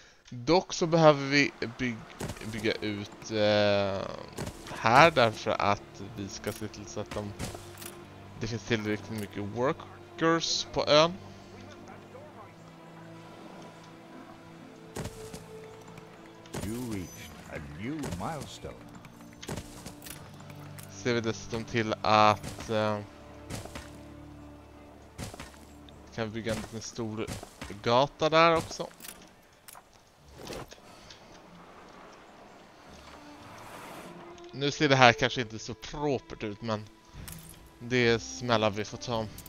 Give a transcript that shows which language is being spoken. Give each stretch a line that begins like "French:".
Swedish: Dock så behöver vi bygga ut här därför att vi ska se till så att det finns tillräckligt mycket workers på ön.
English: You reached a new milestone.
Swedish: Ser vi dessutom till att kan bygga en liten stor gata där också. Nu ser det här kanske inte så propert ut, men det är smällar vi får ta.